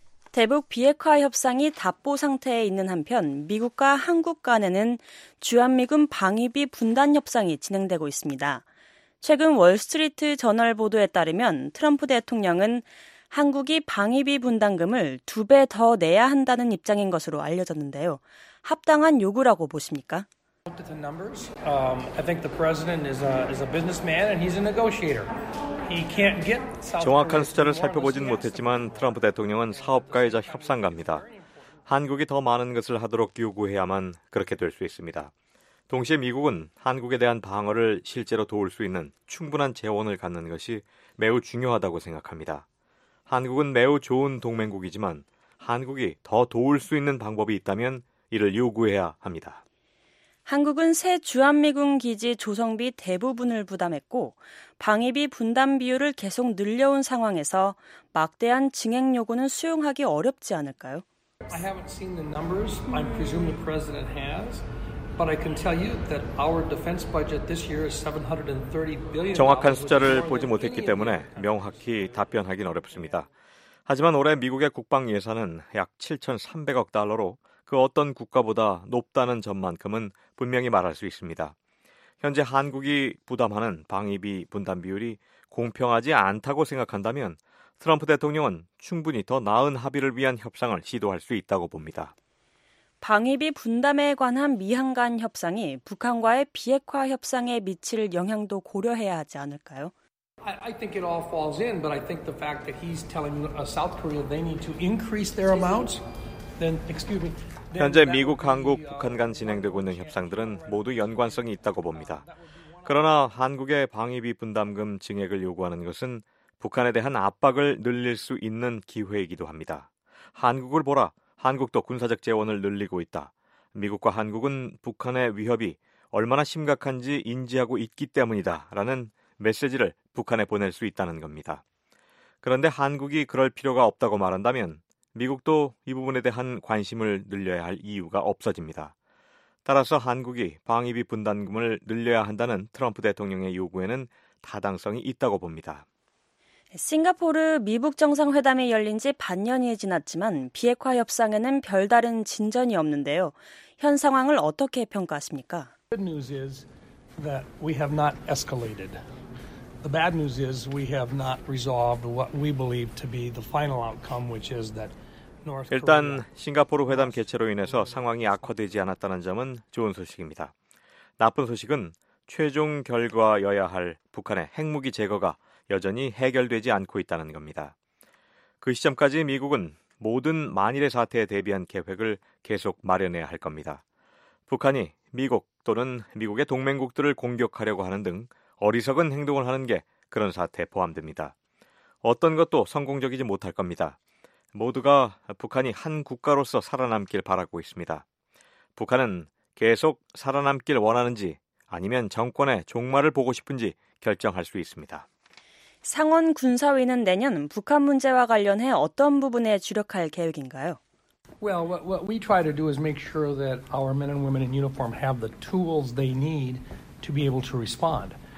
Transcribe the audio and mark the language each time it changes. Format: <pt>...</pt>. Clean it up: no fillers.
<ko>대북 비핵화 협상이 답보 상태에 있는 한편 미국과 한국 간에는 주한미군 방위비 분담 협상이 진행되고 있습니다. 최근 월스트리트 저널 보도에 따르면 트럼프 대통령은 한국이 방위비 분담금을 두 배 더 내야 한다는 입장인 것으로 알려졌는데요. 합당한 요구라고 보십니까?</ko> <en>I think the president is a businessman and he's a negotiator. He can't get</en> <ko>정확한 숫자를 살펴보진 못했지만 트럼프 대통령은 사업가이자 협상가입니다. 한국이 더 많은 것을 하도록 요구해야만 그렇게 될 수 있습니다. 동시에 미국은 한국에 대한 방어를 실제로 도울 수 있는 충분한 재원을 갖는 것이 매우 중요하다고 생각합니다. 한국은 매우 좋은 동맹국이지만 한국이 더 도울 수 있는 방법이 있다면 이를 요구해야 합니다. 한국은 새 주한미군 기지 조성비 대부분을 부담했고 방위비 분담 비율을 계속 늘려온 상황에서 막대한 증액 요구는 수용하기 어렵지 않을까요?</ko> <en>I haven't seen the numbers. I presume the president has. But I can tell you that our defense budget this year is $730 billion.</en> <ko>정확한 숫자를 보지 못했기 때문에 명확히 답변하기는 어렵습니다. 하지만 올해 미국의 국방 예산은 약 7,300억 달러로 그 어떤 국가보다 높다는 점만큼은 분명히 말할 수 있습니다. 현재 한국이 부담하는 방위비 분담 비율이 공평하지 않다고 생각한다면 트럼프 대통령은 충분히 더 나은 합의를 위한 협상을 시도할 수 있다고 봅니다. 방위비 분담에 관한 미한 간 협상이 북한과의 비핵화 협상에 미칠 영향도 고려해야 하지 않을까요?</ko> <en>I think it all falls in, but I think the fact that he's telling South Korea they need to increase their amounts, then excuse me.</en> <ko>현재 미국, 한국, 북한 간 진행되고 있는 협상들은 모두 연관성이 있다고 봅니다. 그러나 한국의 방위비 분담금 증액을 요구하는 것은 북한에 대한 압박을 늘릴 수 있는 기회이기도 합니다. 한국을 보라. 한국도 군사적 재원을 늘리고 있다. 미국과 한국은 북한의 위협이 얼마나 심각한지 인지하고 있기 때문이다. 라는 메시지를 북한에 보낼 수 있다는 겁니다. 그런데 한국이 그럴 필요가 없다고 말한다면 미국도 이 부분에 대한 관심을 늘려야 할 이유가 없어집니다. 따라서 한국이 방위비 분담금을 늘려야 한다는 트럼프 대통령의 요구에는 타당성이 있다고 봅니다. 싱가포르 미북 정상회담이 열린 지 반년이 지났지만 비핵화 협상에는 별다른 진전이 없는데요. 현 상황을 어떻게 평가하십니까?</ko> <en>Good news is that we have not escalated. The bad news is we have not resolved what we believe to be the final outcome, which is that North Korea.</en> <ko>일단 싱가포르 회담 개최로 인해서 상황이 악화되지 않았다는 점은 좋은 소식입니다. 나쁜 소식은 최종 결과여야 할 북한의 핵무기 제거가 여전히 해결되지 않고 있다는 겁니다. 그 시점까지 미국은 모든 만일의 사태에 대비한 계획을 계속 마련해야 할 겁니다. 북한이 미국 또는 미국의 동맹국들을 공격하려고 하는 등 어리석은 행동을 하는 게 그런 사태에 포함됩니다. 어떤 것도 성공적이지 못할 겁니다. 모두가 북한이 한 국가로서 살아남길 바라고 있습니다. 북한은 계속 살아남길 원하는지 아니면 정권의 종말을 보고 싶은지 결정할 수 있습니다. 상원 군사위는 내년 북한 문제와 관련해 어떤 부분에 주력할 계획인가요?</ko> <en>Well, what we try to do is make sure that our men and women in uniform have the tools they need to be able to respond.</en>